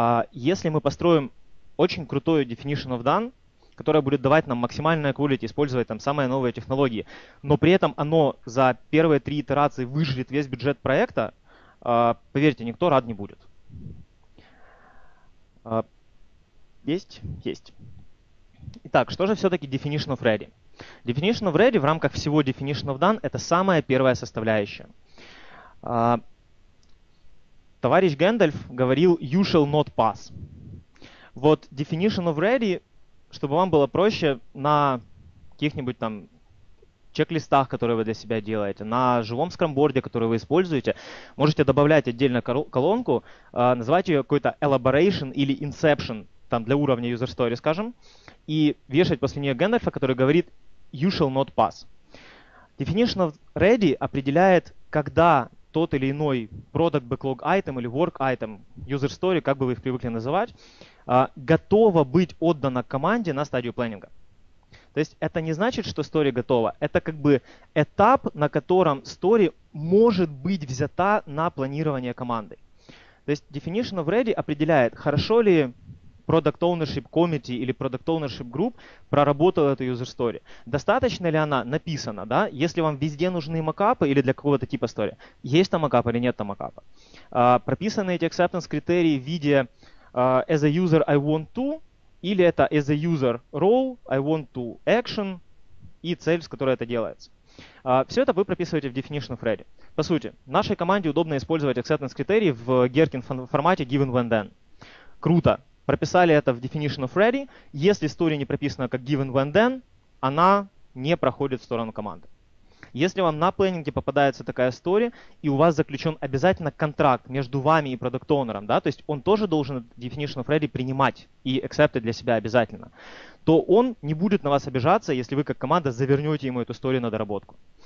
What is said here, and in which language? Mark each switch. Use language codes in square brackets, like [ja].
[ru] Если мы построим очень крутой Definition of Done, которая будет давать нам максимальное quality, использовать там самые новые технологии, но при этом оно за первые три итерации выжрет весь бюджет проекта, поверьте, никто рад не будет. Есть? Есть. Итак, что же все-таки Definition of Ready? Definition of Ready в рамках всего Definition of Done — это самая первая составляющая. Товарищ Гэндальф говорил [en] «You shall not pass». [ru] Вот Definition of Ready, чтобы вам было проще, на каких-нибудь там чек-листах, которые вы для себя делаете, на живом скрамборде, который вы используете, можете добавлять отдельно колонку, назвать ее какой-то elaboration или inception, там для уровня user story, скажем, и вешать после нее Гэндальфа, который говорит [en] you shall not pass. [ru] Definition of ready определяет, когда тот или иной product backlog item или work item, user story, как бы вы их привыкли называть, готова быть отдана команде на стадию планинга. То есть это не значит, что стори готова. Это как бы этап, на котором стори может быть взята на планирование команды. То есть Definition of Ready определяет, хорошо ли Product Ownership Committee или Product Ownership Group проработала эту user story. Достаточно ли она написана, да? Если вам везде нужны макапы или для какого-то типа стори, есть там макап или нет там макапа. Прописаны эти acceptance критерии в виде [en] as a user I want to, [ru] или это [en] as a user role I want to action [ru] и цель, с которой это делается. Все это вы прописываете в Definition of Ready. По сути, нашей команде удобно использовать acceptance критерии в Gherkin формате given when then. Круто. Прописали это в Definition of Ready. Если история не прописана как given when then, она не проходит в сторону команды. Если вам на планинге попадается такая история, и у вас заключен обязательно контракт между вами и продакт-оунером, да, то есть он тоже должен Definition of Ready принимать и accept для себя обязательно, то он не будет на вас обижаться, если вы как команда завернете ему эту историю на доработку.